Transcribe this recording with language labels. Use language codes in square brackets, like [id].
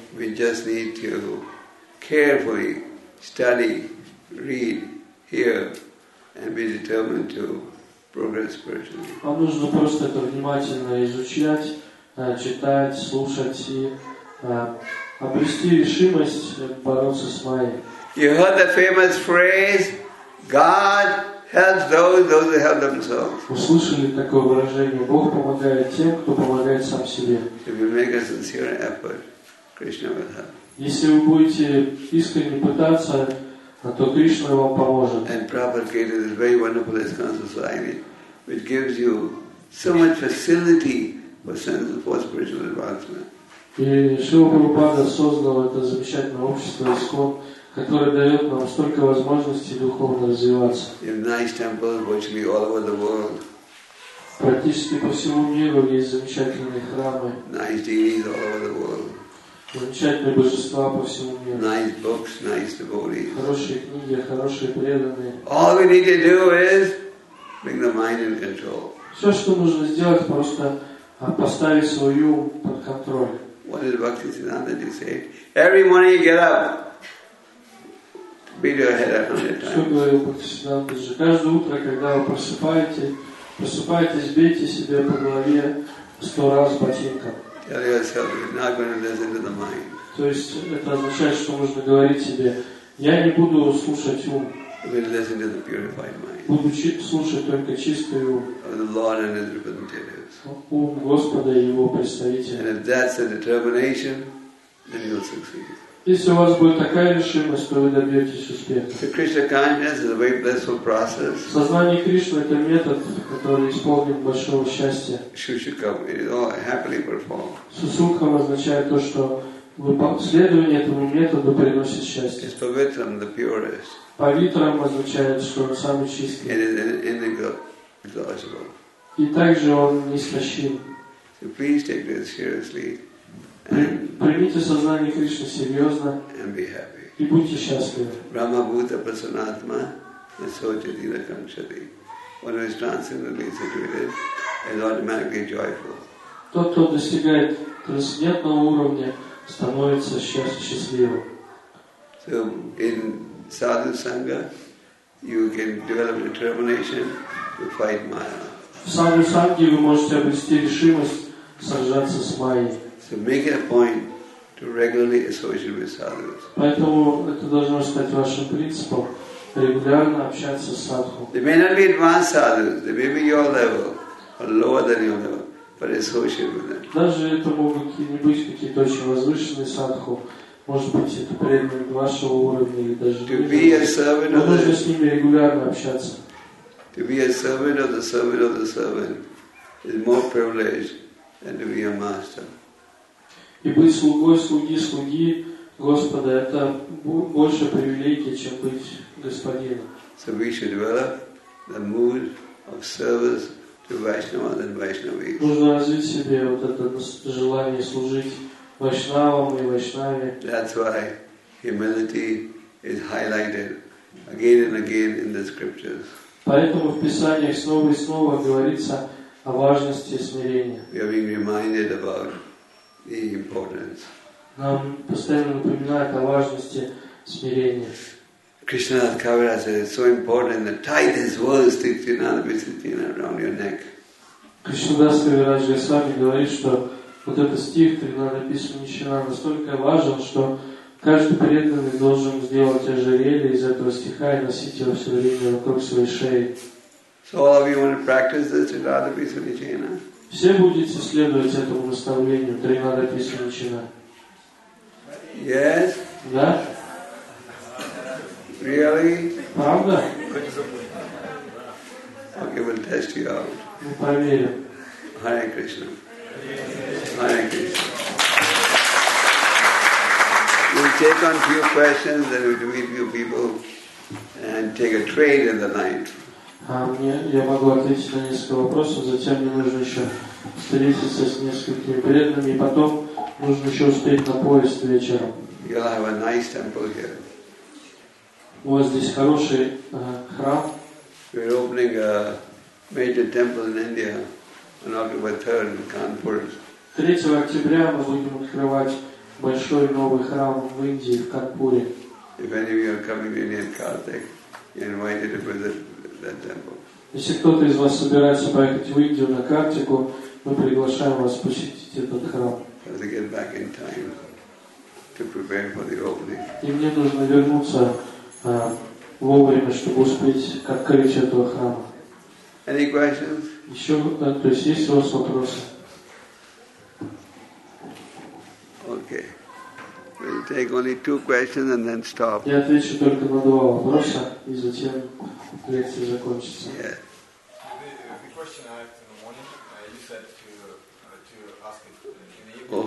[en] We just need to carefully study, read, hear, and be determined to progress spiritually. [ru] Нам нужно просто это внимательно изучать, читать, слушать и обрести решимость бороться с Майей. [en] You heard the famous phrase, God helps those who help themselves. [ru] Услышали такое выражение: Бог помогает тем, кто помогает сам себе. [en] If you make a sincere effort, Krishna will help. [ru] Если вы будете искренне пытаться, то Кришна вам поможет. [en] And Prabhupada created this very wonderful ISKCON society, which gives you so much facility for spiritual advancement. [ru] И Шрила Прабхупада создал это замечательное общество ISKCON, которое дает нам столько возможностей духовно развиваться. [en] In nice temples, virtually all over the world. [ru] Практически по всему миру есть замечательные храмы. [en] Nice deities all over the world. [ru] Замечательные божества по всему миру. [en] Nice books, nice devotees. [ru] Хорошие книги, хорошие преданные. [en] All we need to do is bring the mind in control. [ru] Все, что нужно сделать, просто поставить свой ум под контроль. [en] What did Bhaktisiddhanta say? Every morning you get up. Beat your head 100 times. Tell yourself you're not going to listen to the mind. [ru] То есть это означает, что нужно говорить себе: я не буду слушать ум. [en] We'll listen to the purified mind. [ru] Буду слушать только чистый ум. [en] Of the Lord and His representatives. [ru] Ум Господа и Его представителей. [en] And if that's the determination, then you'll succeed. [ru] Если у вас будет такая решимость, то вы добьетесь успеха. [en] Krishna consciousness is a very blissful process. [ru] Сознание Кришны — это метод, который исполнен большого счастья. [en] Shushukam is all happily performed. [ru] Сусукхам означает то, что следование этому методу приносит счастье. [en] It's pavitram, the purest. [ru] Pavitram означает, что он самый чистый. [en] It is inexhaustible. [ru] И также он неистощим. [en] So please take this seriously. [ru] Примите сознание Кришны серьезно [en] and be happy. [ru] И будьте счастливы. [sa] Brahma Bhuta Prasanatma Nisojadina Kamshati. [en] One who is transcendently situated is automatically joyful. [ru] Тот, кто достигает трансцендентного уровня, становится счастливым. [en] So in Sadhu Sangha you can develop determination to fight Maya. [ru] В Sadhu Sangha вы можете обрести решимость сражаться с Майей. [en] So make it a point to regularly associate with sadhus. [ru] Поэтому это должно стать вашим принципом — регулярно общаться с садху. [en] They may not be advanced sadhus. They may be your level or lower than your level, but associate with them. [ru] Даже это могут не быть какие-то очень возвышенные садху. Может быть, это преданные вашего уровня или даже. [en] To be a servant of. [ru] Нужно с ними регулярно общаться. [en] To be a servant of the servant of the servant is more privileged than to be a master. [ru] И быть слугой слуги слуги Господа — это больше привилегия, чем быть господином. [en] So we should develop the mood of service to Vaishnavas and Vaishnavis. [ru] Нужно развить себе вот это желание служить Вайшнавам и Вайшнаве. [en] That's why humility is highlighted again and again in the scriptures. [ru] Поэтому в Писаниях снова и снова говорится о важности смирения. [en] We are being reminded about the importance. [ru] Нам постоянно напоминают о важности смирения. [en] Krishna Das Kaviraj says it's so important that tie this world stick to another Vishuddhina around your neck. [ru] Krishna Das Kaviraj сами говорит, что вот этот стих, Тринадабисуддхина, настолько важен, что каждый преданный должен сделать ожерелье из этого стиха и носить его все время вокруг своей шеи. [en] So all of you want to practice this Тринадабисуддхина? [ru] Все будете следовать этому наставлению Тринадабисуддхина. [en] Yes? [ru] Да? [en] Really? [ru] Правда? [en] Okay, we'll test you out. [ru] Мы проверим. [sa] Hare Krishna. Hare Krishna. [en] We'll take on a few questions and we'll meet a few people and take a train in the night. [ru] Я могу ответить на несколько вопросов, затем мне нужно еще встретиться с несколькими преданными, и потом нужно еще успеть на поезд вечером. [en] You'll have a nice temple here. [ru] У вас здесь хороший храм. [en] We're opening a major temple in India on October 3rd in Kanpur. [ru] 3 октября мы будем открывать большой новый храм в Индии, в Канпуре. [en] If any of you are coming to India in Kartik, you're invited to visit that temple. [ru] Если кто-то из вас собирается поехать в Индию на Картику, мы приглашаем вас посетить этот храм. [en] As I get back in time to prepare for the opening. [ru] И мне нужно вернуться вовремя, чтобы успеть открыть этого храма. [en] Any questions? [ru] Еще, да, то есть у вас вопросы? [en] Okay. We'll take only 2 questions and then stop. [ru] Я отвечу только на 2 вопроса, и затем лекция закончится. [en] Yeah. The question I have in the morning, you said to ask it in the evening.